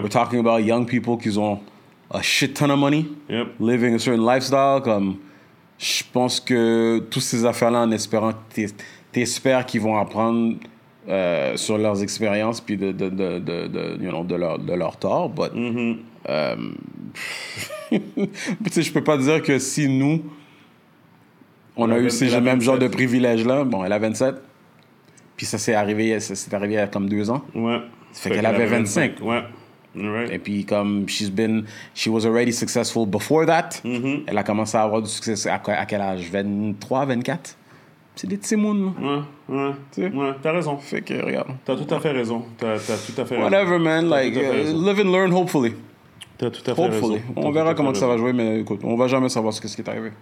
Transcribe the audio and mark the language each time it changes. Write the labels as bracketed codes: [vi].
[en] We're talking about young people [fr] qui ont [en] a shit ton of money, yep. Living a certain lifestyle, comme. [fr] Je pense que toutes ces affaires-là, en espérant, t'espères qu'ils vont apprendre sur leurs expériences puis de leur tort. But, tu sais, je peux pas dire que si nous, on a eu ces mêmes genres de privilèges-là. Bon, elle a 27. Puis ça s'est arrivé il y a comme 2 ans. Ouais. Ça fait qu'elle avait 25. Ouais. Right. Et puis comme [en] she was already successful before that, mm-hmm. [fr] elle a commencé à avoir du succès à quel âge? 23, 24? C'est des petits mounes. T'as raison. Fait que regarde. T'as tout à fait raison. T'as tout à fait [en] whatever, [fr] raison. [en] Whatever, man. [fr] T'as [en] like, live and learn, hopefully. [fr] T'as tout à fait [en] hopefully. [fr] Raison. On verra comment ça va jouer, mais écoute, on va jamais savoir ce qui est arrivé.